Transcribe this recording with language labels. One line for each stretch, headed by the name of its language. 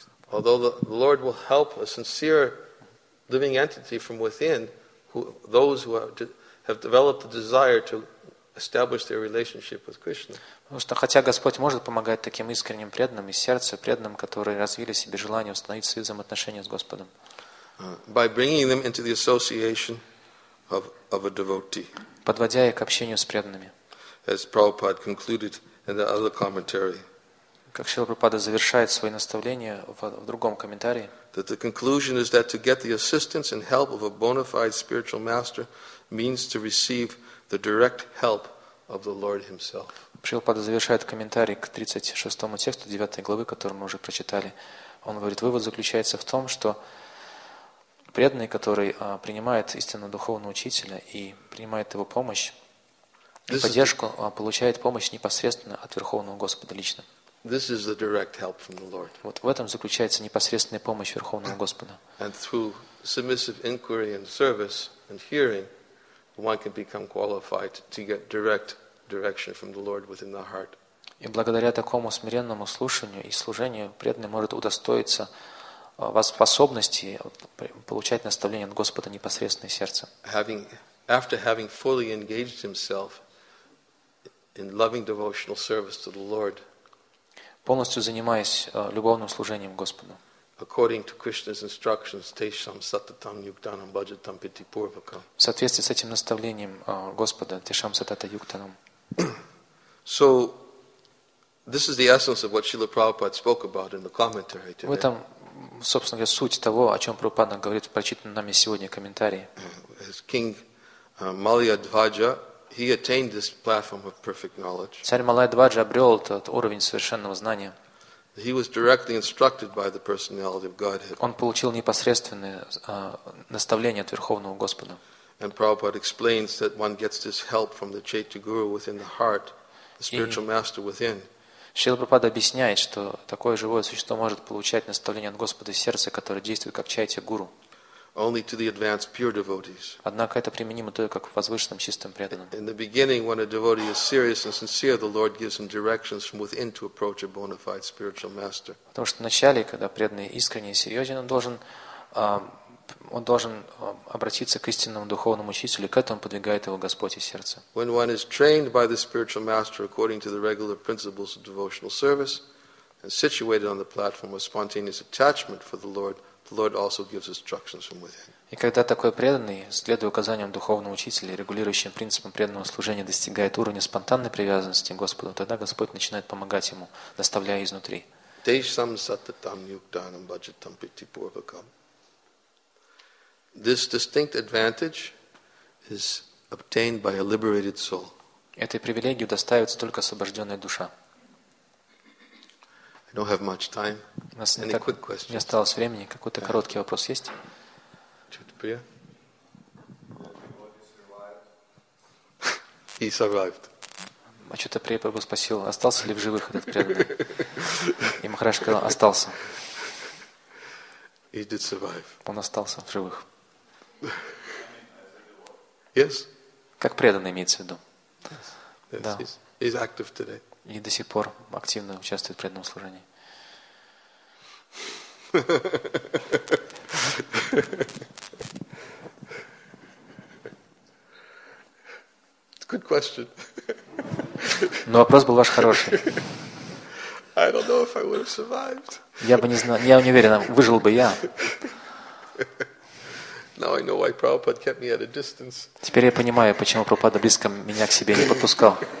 English: Although the Lord will help a sincere living entity from within, those who have developed the desire to establish their relationship with Krishna.
Russian: Потому что хотя Господь может помогать таким искренним преданным из сердца, преданным, которые развили себе желание установить свои взаимоотношения с Господом.
English: By bringing them into the association of a devotee.
Russian: Подводя их к общению с преданными.
English: As Prabhupada concluded in the other commentary.
Russian: Как Шрила Прабхупада завершает свои наставления в другом комментарии.
English: That the conclusion is that to get the assistance and help of a bona fide spiritual master means to receive the direct help of the Lord himself.
Russian: Шрила Прабхупада завершает комментарий к 36-му тексту 9 главы, который мы уже прочитали. Он говорит, вывод заключается в том, что преданный, который принимает истинно духовного учителя и принимает его помощь и поддержку, получает помощь непосредственно от Верховного Господа лично.
English: This is the direct help from the Lord.
Russian: Вот в этом заключается непосредственная помощь Верховного Господа.
English: And through submissive inquiry and service and hearing, one can become qualified to get direct direction from the Lord within the heart.
Russian: И благодаря такому смиренному слушанию и служению преданный может удостоиться вас способности получать наставление от Господа непосредственно из сердца.
English: After having fully engaged himself in loving devotional service to the Lord,
Russian: полностью занимаясь любовным служением Господу.
English: According to Krishna's instructions,
Sanskrit: tesham satatam yuktanam bhajatam piti purvakam.
Russian: В соответствии с этим наставлением Господа,
Sanskrit: tesham satatam yuktanam.
English: So, This is the essence of what Srila Prabhupada spoke about in the commentary today.
Russian: В этом, собственно говоря, суть того, о чем Прабхупада говорит в прочитанном нами сегодня комментарии.
English: As King Malayadvaja, he attained this platform of perfect knowledge.
Russian: Царь Малайадваджа обрел этот уровень совершенного знания.
English: He was directly instructed by the personality of Godhead.
Russian: Он получил непосредственное наставление от Верховного Господа.
English: And Prabhupada explains that one gets this help from the Chaitya Guru within the heart, the spiritual master within.
Russian: Шрила Прабхупада объясняет, что такое живое существо может получать наставление от Господа сердца, которое действует как Чайтья Гуру.
English: Only to the advanced pure devotees.
Russian: Однако это применимо только к возвышенным чистым преданным.
English: In the beginning, when a devotee is serious and sincere, the Lord gives him directions from within to approach a bona fide spiritual master.
Russian: Потому что вначале, когда преданный искренний и серьезен, он должен обратиться к истинному духовному учителю, и к этому подвигает его Господь и сердце.
English: When one is trained by the spiritual master according to the regular principles of devotional service and situated on the platform of spontaneous attachment for the Lord, the Lord also gives instructions from within.
Russian: И когда такой преданный, следуя указаниям духовного учителя и регулирующим принципам преданного служения, достигает уровня спонтанной привязанности к Господу, тогда Господь начинает помогать ему, наставляя изнутри.
Sanskrit: Дейшам саттатам юктанам баджатам питти пурвакам.
English: This distinct advantage is obtained by a liberated soul.
Russian: Этой привилегии удостаивается только освобожденная душа.
English: I don't have much time. Any quick questions?
Russian: Не осталось времени. Какой-то короткий вопрос есть? Чудприя.
English: He survived.
Russian: А Чудприя Прабху спросил, остался ли в живых этот преданный? И Махараш сказал, остался.
English: He did survive.
Russian: Он остался в живых.
English: Yes.
Russian: Как преданный имеется в виду?
English: Yes.
Russian: Да.
English: He's active today.
Russian: И до сих пор активно участвует в преданном служении.
English: It's a good question.
Russian: Но вопрос был ваш хороший.
English: I don't know if I would have survived.
Russian: Я бы не знал, я не уверен, выжил бы я.
English: Now I know why Prabhupada kept me at a distance.
Russian: Теперь я понимаю, почему Прабхупада близко меня к себе не подпускал.